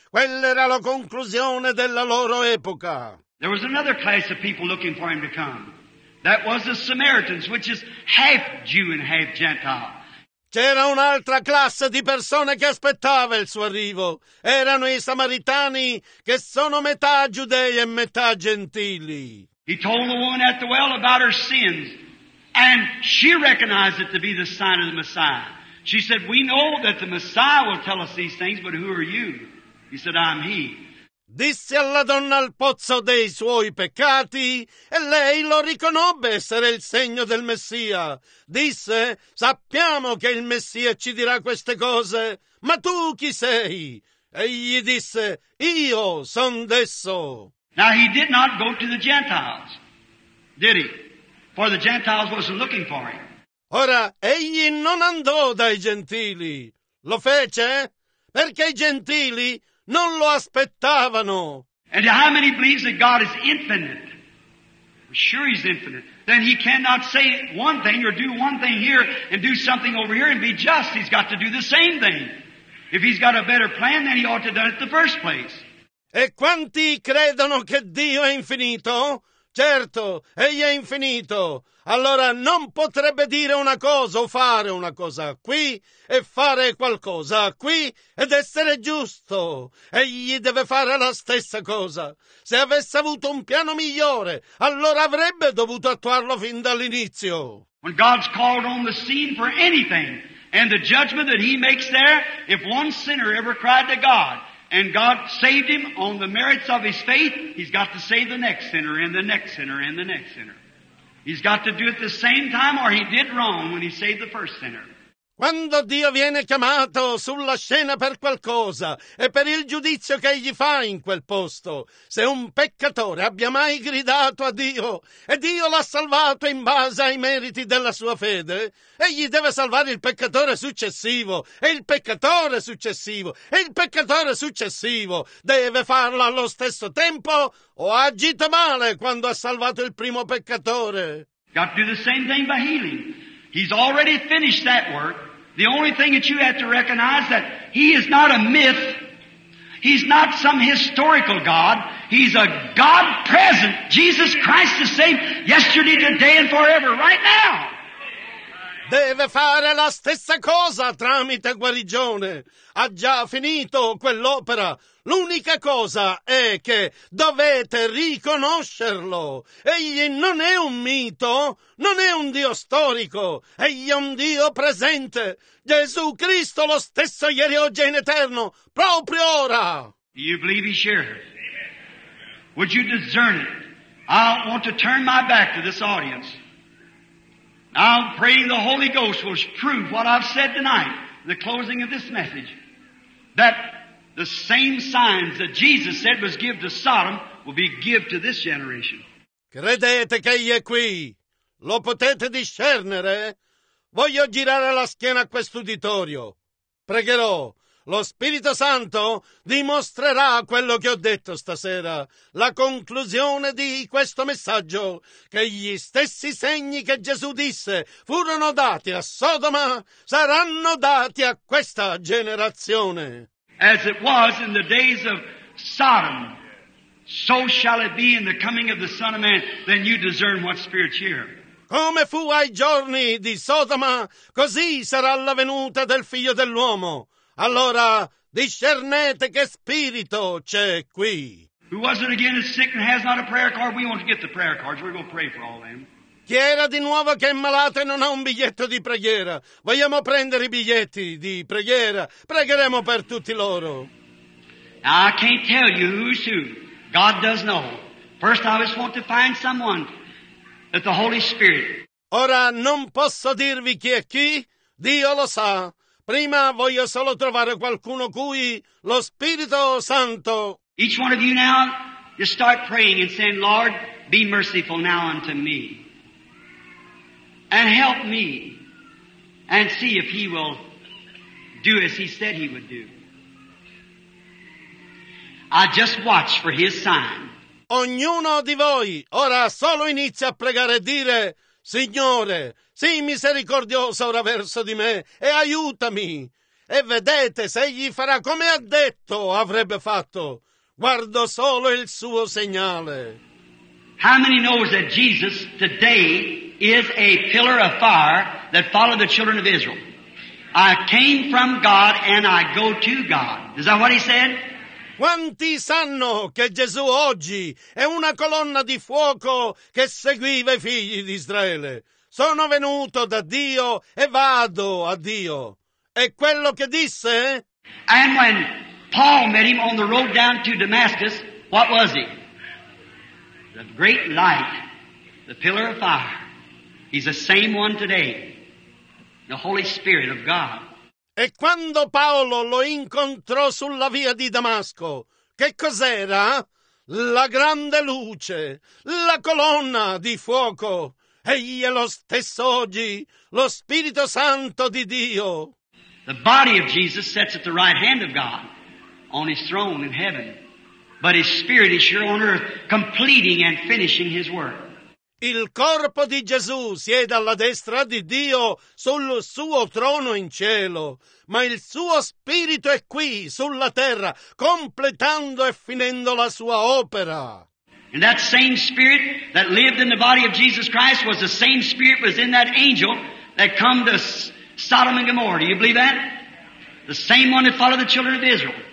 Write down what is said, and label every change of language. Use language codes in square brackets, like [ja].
[it] Quella era la conclusione della loro epoca. [en] There was another class of people looking for him to come. That was the Samaritans, which is half Jew and half Gentile. [it] C'era un'altra classe di persone che aspettava il suo arrivo. Erano i Samaritani, che sono metà giudei e metà gentili. [en] He told the woman at the well about her sins, and she recognized it to be the sign of the Messiah. She said, "We know that the Messiah will tell us these things, but who are you?" He said, "I'm he." [it] Disse alla donna al pozzo dei suoi peccati, e lei lo riconobbe essere il segno del Messia. Disse, sappiamo che il Messia ci dirà queste cose, ma tu chi sei? Egli disse, io son d'esso. [en] Now he did not go to the Gentiles, did he? For the Gentiles wasn't looking for him. [it] Ora, egli non andò dai gentili. Lo fece? Perché i gentili non lo aspettavano. [en] And how many believes that God is infinite? I'm sure he's infinite. Then he cannot say one thing or do one thing here and do something over here and be just. He's got to do the same thing. If he's got a better plan, then he ought to have done it in the first place. [it] E quanti credono che Dio è infinito? Certo, egli è infinito. Allora non potrebbe dire una cosa o fare una cosa qui e fare qualcosa qui ed essere giusto. Egli deve fare la stessa cosa. Se avesse avuto un piano migliore, allora avrebbe dovuto attuarlo fin dall'inizio. [en] When God's called on the scene for anything, and the judgment that he makes there, if one sinner ever cried to God, and God saved him on the merits of his faith, he's got to save the next sinner, and the next sinner, and the next sinner. He's got to do it the same time, or he did wrong when he saved the first sinner. [it] Quando Dio viene chiamato sulla scena per qualcosa e per il giudizio che egli fa in quel posto, se un peccatore abbia mai gridato a Dio e Dio l'ha salvato in base ai meriti della sua fede, egli deve salvare il peccatore successivo e il peccatore successivo e il peccatore successivo deve farlo allo stesso tempo o ha agito male quando ha salvato il primo peccatore. [en] Got to do the same thing by healing. He's already finished that work. The only thing that you have to recognize is that he is not a myth. He's not some historical God. He's a God present. Jesus Christ the same yesterday, today, and forever, right now. [it] Deve fare la stessa cosa tramite guarigione. Ha già finito quell'opera. L'unica cosa è che dovete riconoscerlo. Egli non è un mito, non è un Dio storico. Egli è un Dio presente. Gesù Cristo lo stesso ieri, oggi e in eterno, proprio ora. [en] You believe he's here? Would you discern it? I want to turn my back to this audience. I'm praying the Holy Ghost will prove what I've said tonight, the closing of this message, that the same signs that Jesus said was given to Sodom will be given to this generation. [it] Credete che egli è qui? Lo potete discernere? Voglio girare la schiena a quest'uditorio. Pregherò. Lo Spirito Santo dimostrerà quello che ho detto stasera, la conclusione di questo messaggio, che gli stessi segni che Gesù disse furono dati a Sodoma, saranno dati a questa generazione. [en] As it was in the days of Sodom, so shall it be in the coming of the Son of Man, then you discern what spirit's here. [it] Come fu ai giorni di Sodoma, così sarà la venuta del Figlio dell'Uomo. Allora, discernete che spirito c'è qui. [en] Who was it again is sick and has not a prayer card? We want to get the prayer cards. We're going to pray for all them. [it] Chi era di nuovo che è malato e non ha un biglietto di preghiera? Vogliamo prendere i biglietti di preghiera. Pregheremo per tutti loro. [en] Now, I can't tell you who's who. God does know. First, I just want to find someone that the Holy Spirit. [it] Ora, non posso dirvi chi è chi. Dio lo sa. Prima voglio solo trovare qualcuno cui lo Spirito Santo. [en] Each one of you now, just start praying and saying, Lord, be merciful now unto me. And help me. And see if he will do as he said he would do. I just watch for his sign. [it] Ognuno di voi ora solo inizia a pregare e dire, Signore, sii misericordioso ora verso di me e aiutami. E vedete se egli farà come ha detto avrebbe fatto. Guardo solo il suo segnale. [en] How many knows that Jesus today is a pillar of fire that followed the children of Israel? I came from God and I go to God. Is that what he said? [it] Quanti sanno che Gesù oggi è una colonna di fuoco che seguiva i figli di Israele? Sono venuto da Dio e vado a Dio. È quello che disse? [en] And when Paul met him on the road down to Damascus, what was he? The great light, the pillar of fire. He's the same one today, the Holy Spirit of God. [it] E quando Paolo lo incontrò sulla via di Damasco, che cos'era? La grande luce, la colonna di fuoco. Egli è lo stesso oggi, lo Spirito Santo di Dio. [en] The body of Jesus sits at the right hand of God, on his throne in heaven. But his spirit is here on earth, completing and finishing his work. [it] Il corpo di Gesù siede alla destra di Dio sul suo trono in cielo, ma il suo spirito è qui, sulla terra, completando e finendo la sua opera. [en] And that same spirit that lived in the body of Jesus Christ was the same spirit was in that angel that come to Sodom and Gomorrah. Do you believe that? The same one that followed the children of Israel.